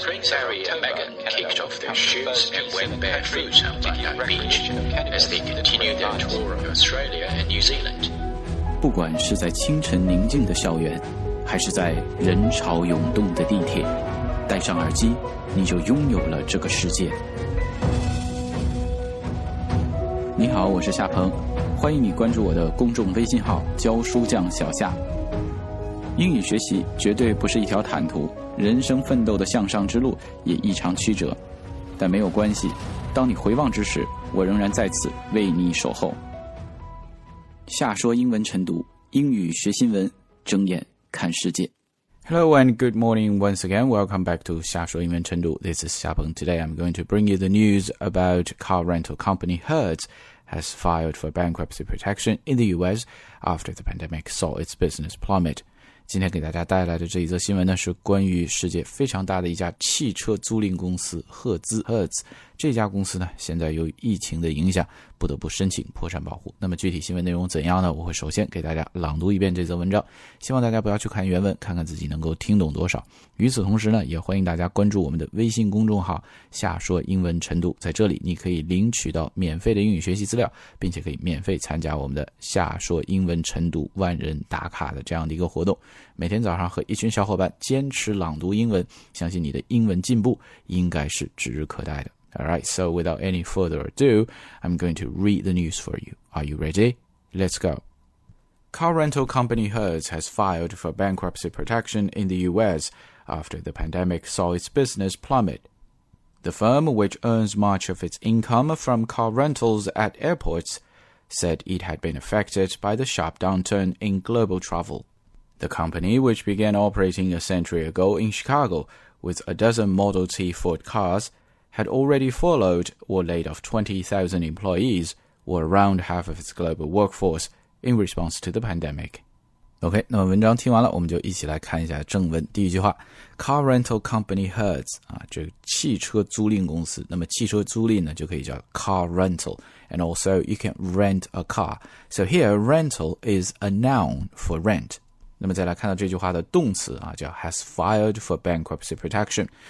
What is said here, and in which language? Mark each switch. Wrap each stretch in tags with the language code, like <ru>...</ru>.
<en>of October, Megan kicked off their shoes and went barefoot on Bondi Beach as they continued their tour of Australia and New Zealand.</en> <zh>不管是在清晨宁静的校园，还是在人潮涌动的地铁，戴上耳机，你就拥有了这个世界。你好，我是夏鹏，欢迎你关注我的公众微信号“教书匠小夏”。英语学习绝对不是一条坦途，人生奋斗的向上之路也异常曲折，但没有关系，当你回望之时，我仍然在此为你守候。夏说英文晨读，英语学新闻，睁眼看世界。</zh> <en>Hello and good morning once again. Welcome back to 夏说英文晨读。This is 夏鹏。 Today I'm going to bring you the news about car rental company Hertz has filed for bankruptcy protection in the US after the pandemic saw its business plummet.</en> <zh>今天给大家带来的这一则新闻呢，是关于世界非常大的一家汽车租赁公司赫兹。 Hertz 这家公司呢，现在由于疫情的影响，不得不申请破产保护。那么具体新闻内容怎样呢？我会首先给大家朗读一遍这则文章，希望大家不要去看原文，看看自己能够听懂多少。与此同时呢，也欢迎大家关注我们的微信公众号夏说英文晨读，在这里你可以领取到免费的英语学习资料，并且可以免费参加我们的夏说英文晨读万人打卡的这样的一个活动，每天早上和一群小伙伴坚持朗读英文，相信你的英文进步应该是指日可待的。</zh> <en>Alright, so without any further ado, I'm going to read the news for you. Are you ready? Let's go. Car rental company Hertz has filed for bankruptcy protection in the US after the pandemic saw its business plummet. The firm, which earns much of its income from car rentals at airports, said it had been affected by the sharp downturn in global travel. The company, which began operating a century ago in Chicago with a dozen Model T Ford cars,had already furloughed or laid off 20,000 employees, or around half of its global workforce, in response to the pandemic.</en> <zh>OK, 那文章听完了，我们就一起来看一下正文。第一句话 ,</zh> <en>Car rental company Hertz,</en> <zh>就汽车租赁公司，那么汽车租赁呢，就可以叫</zh> <en>car rental, and also you can rent a car. So here, rental is a noun for rent.</en> <zh>那么再来看到这句话的动词啊，叫</zh> <en>has filed for bankruptcy protection。</en>